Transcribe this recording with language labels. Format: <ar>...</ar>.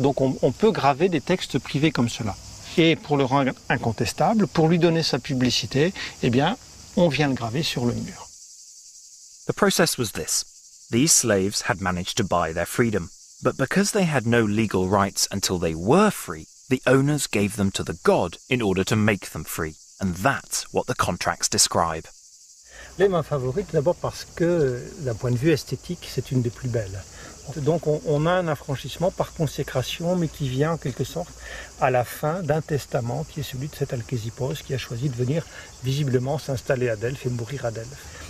<fr>Donc, on peut graver des textes privés comme cela. Et pour le rendre incontestable, pour lui donner sa publicité, eh bien, on vient le graver sur le mur.</fr> <en>The process was this. These slaves had managed to buy their freedom. But because they had no legal rights until they were free, the owners gave them to the god in order to make them free. And that's what the contracts describe.</en> <fr>Les mains favorites, d'abord parce que, d'un point de vue esthétique, c'est une des plus belles. Donc on a un affranchissement par consécration, mais qui vient en quelque sorte à la fin d'un testament qui est celui de cet Alcésippos qui a choisi de venir visiblement s'installer à Delphes et mourir à Delphes.</fr>